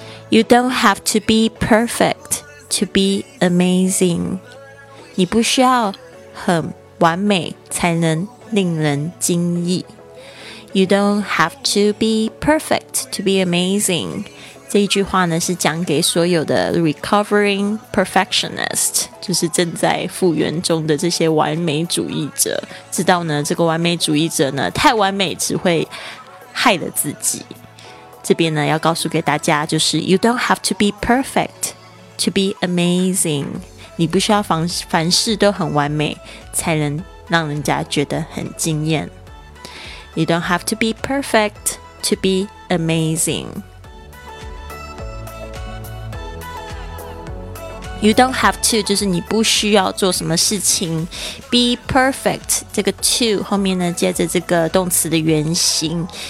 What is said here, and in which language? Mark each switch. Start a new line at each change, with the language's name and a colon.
English: You don't have to be perfect to be amazing.
Chinese: 你不需要很完美才能令人惊异。
English: You don't have to be perfect to be amazing.
Chinese: 这一句话呢是讲给所有的
English: recovering perfectionist,
Chinese: 就是正在复原中的这些完美主义者。知道呢这个完美主义者呢太完美只会害了自己。这边呢要告诉给大家就是
English: You don't have to be perfect to be amazing.
Chinese: 你不需要凡事都很完美才能让人家觉得很惊艳。
English: You don't have to be perfect to be amazing. You don't have to
Chinese: 就是你不需要做什么事情。
English: Be perfect
Chinese: 这个 to 后面呢接着这个动词的原形。